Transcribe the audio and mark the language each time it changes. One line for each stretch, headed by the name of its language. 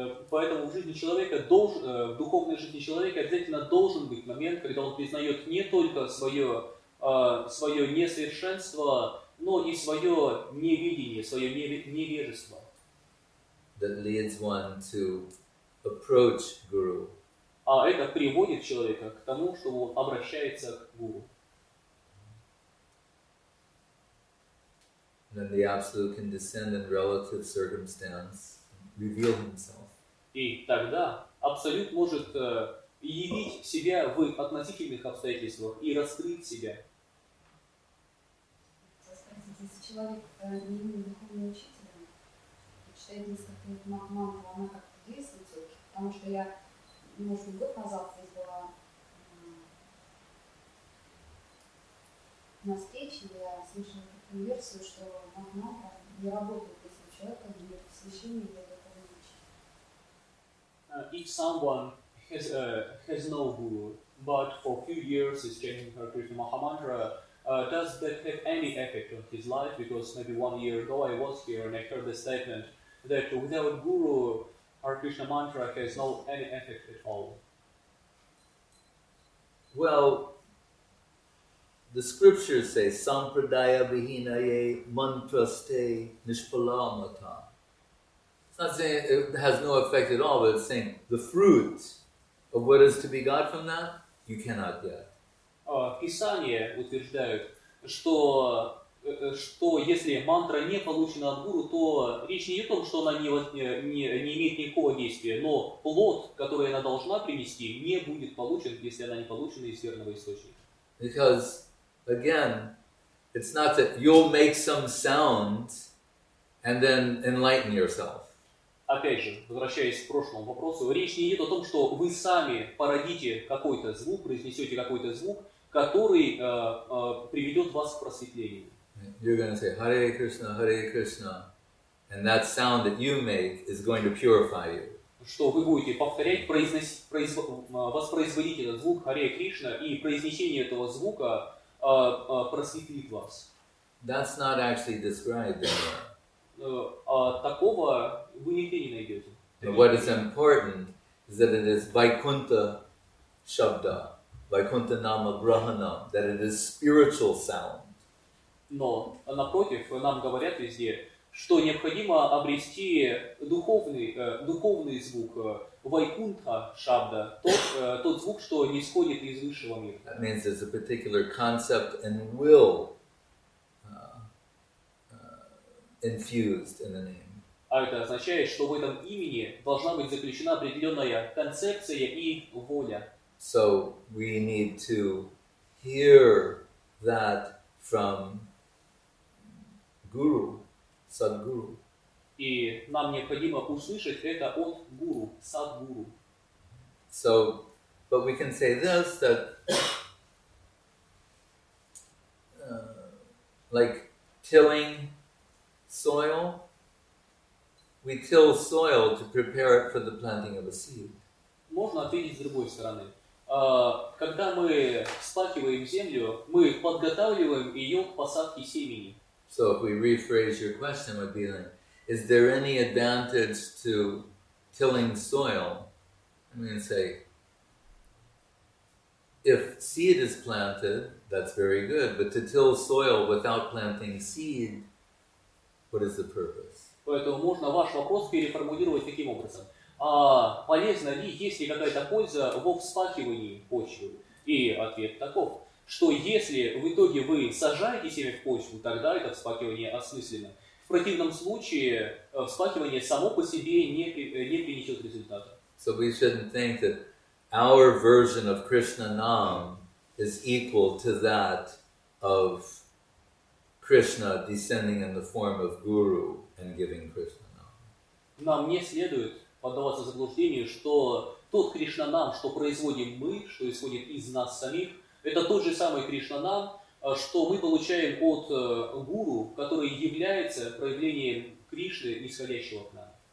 Russian: Поэтому в жизни человека в духовной жизни человека обязательно должен быть момент, когда он признает не только свое несовершенство, но и свое невидение, свое невежество.
English: That leads one to approach Guru.
Russian: А это приводит человека к тому, что он обращается к Гуру.
English: And then the Absolute can descend in relative circumstance, reveal himself.
Russian: И тогда Абсолют может явить себя в относительных обстоятельствах и раскрыть себя. Скажите, если человек не имеет духовного учителя, читает несколько мантру, она как-то действует, потому что я, может быть, год назад здесь была на встрече, я слышала версию, что мантра не работает, если человек имеет посвящение для духовного учителя.
English: If someone has no guru, but for a few years is chanting Hare Krishna Mahamantra, does that have any effect on his life? Because maybe 1 year ago I was here and I heard the statement that without guru, Hare Krishna mantra has no any effect at all. Well, the scriptures say
Sanskrit: sampradaya vihinaye mantraste nishpalamata.
English: It's not saying it has no effect at all, but it's saying the fruit of what is to be got from that, you cannot get.
Russian: Писания утверждают, что если мантра не получена от гуру, то речь не о том, что она не имеет никакого действия, но плод, который она должна принести, не будет получен, если она не получена из верного источника.
English: Because, again, it's not that you'll make some sound and then enlighten yourself.
Russian: Опять же, возвращаясь к прошлому вопросу, речь не идет о том, что вы сами породите какой-то звук, произнесете какой-то звук, который приведет вас к просветлению.
English: You're going to say, Hare Krishna, Hare Krishna. And that sound that you make is going to purify you.
Russian: Что вы будете повторять, воспроизводить этот звук Харе Кришна, и произнесение этого звука просветлит вас.
English: That's not actually described anywhere.
Russian: Такого вы нигде не найдете.
English: But what is important is that it is Vaikuntha Shabda, Vaikuntha Nama Grahanam, that it is spiritual sound.
Russian: Но, напротив, нам говорят везде, что необходимо обрести духовный звук, Вайкунтха Шабда, тот звук, что не исходит из высшего мира.
English: That means there's a particular concept and will infused in the name.
Russian: А это означает, что в этом имени должна быть заключена определенная концепция и воля.
English: So we need to hear that from Guru.
Russian: Садгуру. И нам необходимо услышать это от гуру, садгуру.
English: So, but we can say this, that like tilling soil, we till soil to prepare it for the planting of a seed.
Russian: Можно ответить с другой стороны. Когда мы вспахиваем землю, мы подготавливаем ее к посадке семени.
English: So if we rephrase your question, would be like, is there any advantage to tilling soil? I'm going to say, if seed is planted, that's very good. But to till soil without planting seed, what is the purpose?
Russian: Поэтому можно ваш вопрос переформулировать таким образом. Полезна ли, есть ли какая-то польза во вспахивании почвы? И ответ таков. Что если в итоге вы сажаете семя в почву, тогда это вспахивание осмысленно. В противном случае вспахивание само по себе не принесет результата.
English: So we shouldn't think that our version of Krishna Nam is equal to that of Krishna descending in the form of Guru and giving Krishna Nam.
Russian: Нам не следует поддаваться заблуждению, что тот Кришна Нам, что производим мы, что исходит из нас самих, это тот же самый Кришна-нам, что мы получаем от гуру, который является проявлением Кришны, исходящего от нас.